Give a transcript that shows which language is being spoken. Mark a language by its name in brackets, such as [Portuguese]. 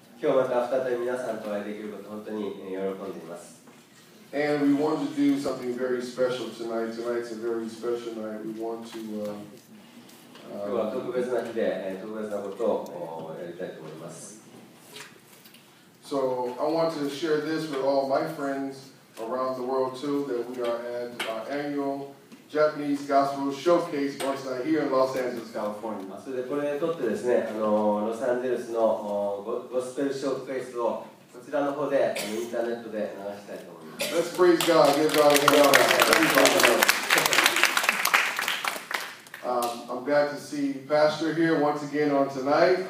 [Japanese] 今日また再び皆さんとお会いできること本当に喜んでいます。 [English] And we want to do something very special tonight. Tonight's a very special night. We want to. [Japanese] 今日は特別な日で特別なことをやりたいと思います。 [English] So I want to share this with all my friends around the world too that we are at our annual. Japanese Gospel Showcase once night here in Los Angeles, California. [Japanese] それでこれにとってですね、ロサンゼルスのゴスペルショーケースをこちらの方でインターネットで流したいと思います。 [English] Let's praise God. Give God a hand. I'm glad to see Pastor here once again on tonight.